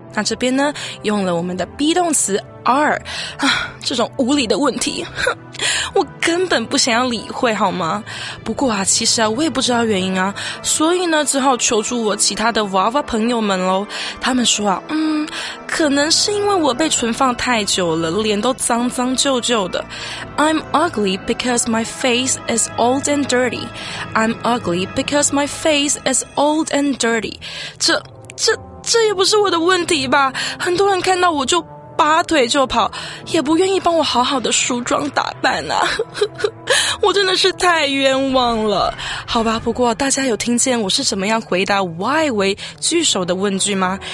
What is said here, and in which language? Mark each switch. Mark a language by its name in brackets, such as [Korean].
[Chinese] 那这边呢用了我们的 be 动词 are、啊、这种无理的问题，我根本不想要理会好吗？不过啊，其实啊，我也不知道原因啊，所以呢只好求助我其他的娃娃朋友们咯。他们说啊，可能是因为我被存放太久了，脸都脏脏旧旧的。 [English] I'm ugly because my face is old and dirty. I'm ugly because my face is old and dirty. [Chinese] 这也不是我的问题吧？很多人看到我就拔腿就跑，也不愿意帮我好好的梳妆打扮啊。我真的是太冤枉了。好吧，不过大家有听见我是怎么样回答 why 为句首的问句吗？